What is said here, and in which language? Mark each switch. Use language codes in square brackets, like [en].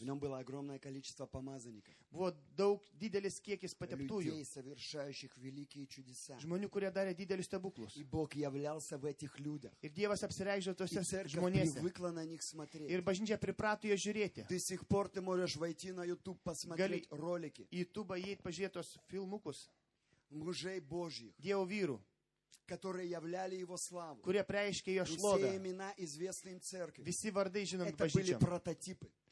[ru] в нем было огромное количество помазанников, вот, [lt] daug, didelis kiekis patiptųjų, [ru] людей, совершающих великие чудеса, [lt] žmonių, kurie darė didelius stebuklus, [ru] и Бог являлся в этих людях, [lt] ir Dievas apsireikžė tose žmonėse, [ru] привыкла на них смотреть, [lt] ir bažnyčia priprato jo žiūrėti, [ru] до сих пор ты можешь войти на YouTube посмотреть ролики, [lt] į YouTube įeit pažiūrėti tos filmukus, [ru] мужей Божьих, [lt] Dievo vyrų, [ru] которые являли его славу. [lt] Kurie preiškė jo šlovę. [ru] Все имена известны им церкви. [lt] Visi vardai žinomi [ru] bažnyčiam. Это были прототипы.